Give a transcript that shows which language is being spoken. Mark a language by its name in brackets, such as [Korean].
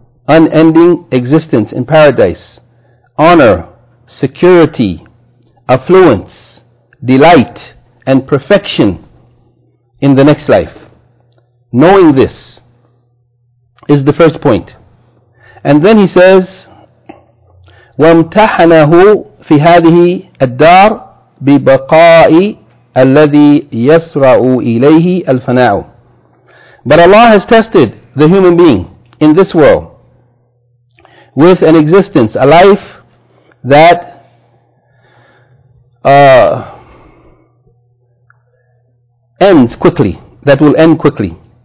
[English] unending existence in paradise, honor, security, affluence, delight, and perfection in the next life. Knowing this is the first point. And then he says, [Arabic] وَامْتَحَنَهُ فِي هَذِهِ الدَّارِ بِبَقَاءِ الَّذِي يَسْرَعُ إِلَيْهِ الْفَنَاءُ. [English] But Allah has tested the human being in this world with an existence, a life that ends quickly, that will end quickly.